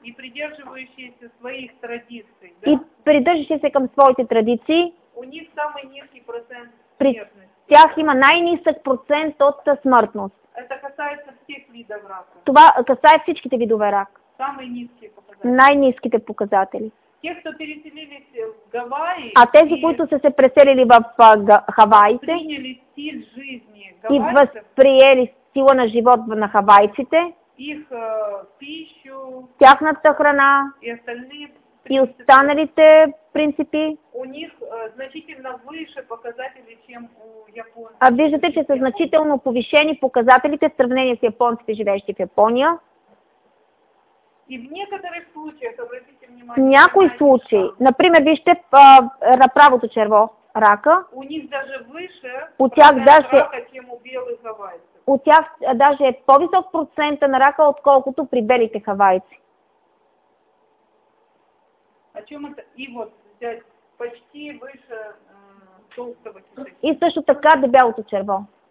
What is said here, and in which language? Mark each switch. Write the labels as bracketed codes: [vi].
[ru] и придерживающиеся своих традиций, да? [bg] И придържащиеся към своите традиции, [ru] у них самый низкий процент смертности. [bg] При тях има най-нисък процент от смъртност. [ru] Это касается всех видов рака. [bg] Това касае всичките видове рак. [ru] Самые низкие показатели. [bg] Най-низките показатели. [ru] Те, кто переселились в Гавайи, [bg] а тези, които са се преселили в Хавайите, [ru] приняли стиль жизни [bg] и възприели сила на живот на хавайците, [ru] их пищу, [bg] тяхната храна и останалите принципи. [ru] У них значително повише показатели, чем у японците. [bg] А виждате, че са значително повишени показателите в сравнение с японците, живеещи в Япония. [ru] И в некоторых случаях, обратите внимание, [bg] някои случаи, например, вижте правото черво, рака. [ru] У них даже выше [bg] у тях даже [ru] рака, чем у белых хавайцев. [bg] От тях даже е по-висок процент на рака, отколкото при белите хавайци. [ru] А чем это? И вот здесь почти выше толстого [bg] кишечника. И също така дебелото черво.